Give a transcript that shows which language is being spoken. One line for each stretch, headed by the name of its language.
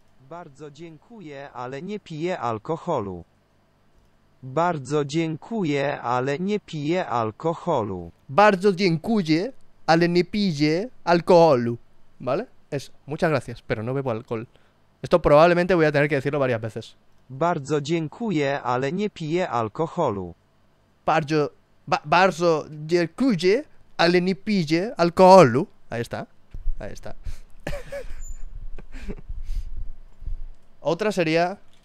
Polish: Bardzo dziękuję, ale nie piję alkoholu. Bardzo dziękuję, ale nie piję alkoholu. Bardzo dziękuję, ale nie piję alkoholu.
Spanish: ¿Vale? Es muchas gracias, pero no bebo alcohol. Esto probablemente voy a tener que decirlo varias veces.
Polish: Bardzo dziękuję, ale nie piję alkoholu. Bardzo dziękuję, ale nie piję alkoholu.
Spanish: Ahí está. Ahí está. Otra sería...